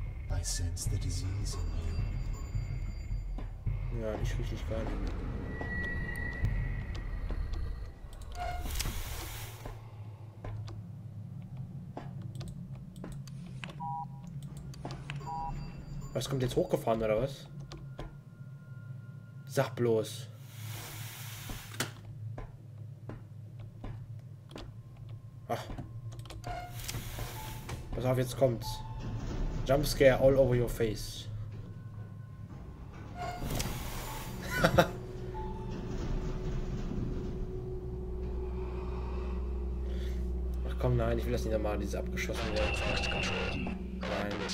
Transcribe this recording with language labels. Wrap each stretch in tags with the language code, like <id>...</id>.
<en>I sense the disease in you.</en> <de>Ja, nicht richtig gar nicht. Was kommt jetzt hochgefahren oder was? Sag bloß. Ach. Pass auf, jetzt kommt's.</de> <en>Jumpscare all over your face.</en> <de>Ach komm, nein, ich will das nicht nochmal, diese abgeschossen werden. Nein.</de>